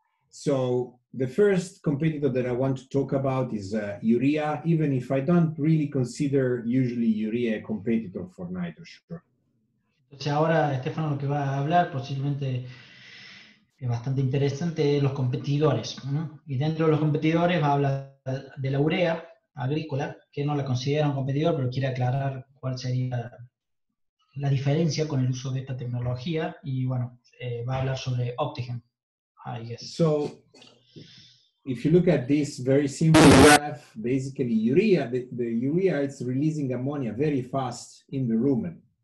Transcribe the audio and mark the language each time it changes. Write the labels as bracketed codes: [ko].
[en] So the first competitor that I want to talk about is urea, even if I don't really consider usually urea a competitor for NitroSure. [es] Entonces ahora, Stefano, lo que va a hablar posiblemente es bastante interesante, los competidores, ¿no? Y dentro de los competidores va a hablar de la urea agrícola, que no la considera un competidor, pero quiere aclarar cuál sería la diferencia con el uso de esta tecnología. Y bueno, va a hablar sobre Optigen. [en] I guess. So, if you look at this very simple graph, basically urea, the urea is releasing ammonia very fast in the rumen.